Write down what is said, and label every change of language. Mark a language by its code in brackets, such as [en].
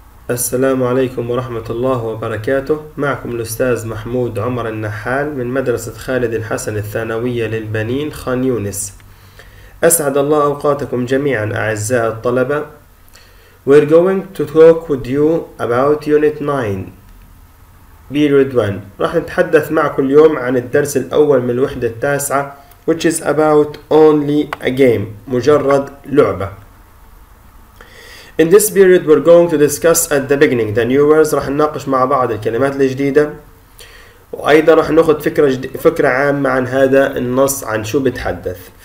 [ar] السلام عليكم ورحمة الله وبركاته، معكم الأستاذ محمود عمر النحال من مدرسة خالد الحسن الثانوية للبنين خان يونس. أسعد الله أوقاتكم جميعا أعزائي الطلبة. [en] We're going to talk with you about Unit 9 Period 1. [ar] راح نتحدث معكم اليوم عن الدرس الأول من الوحدة التاسعة [en] which is about only a game، [ar] مجرد لعبة. [en] In this period we're going to discuss at the beginning the new words، [ar] راح نناقش مع بعض الكلمات الجديدة، وأيضا راح نأخذ فكرة عامة عن هذا النص، عن شو بتحدث.